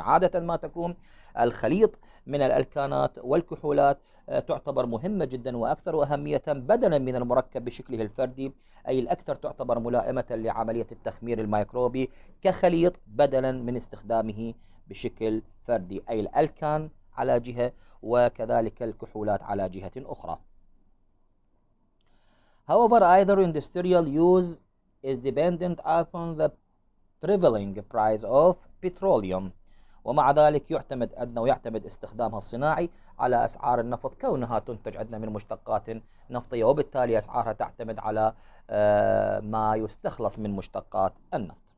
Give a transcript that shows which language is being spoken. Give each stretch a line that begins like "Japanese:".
Arabic: عادة ما تكون الخليط من الألكانات والكحولات تعتبر مهمة جدا وأكثر أهمية بدلا من المركب بشكله الفردي، أي الأكثر تعتبر ملائمة لعملية التخمير الميكروبي كخليط بدلا من استخدامه بشكل فردي، أي الألكان على جهة وكذلك الكحولات على جهة أخرى.
English: However, either industrial use is dependent upon the prevailing price of petroleum.
Arabic: ومع ذلك يعتمد أدنى ويعتمد استخدامها الصناعي على أسعار النفط كونها تنتج عندنا من مشتقات نفطية، وبالتالي أسعارها تعتمد على ما يستخلص من مشتقات النفط.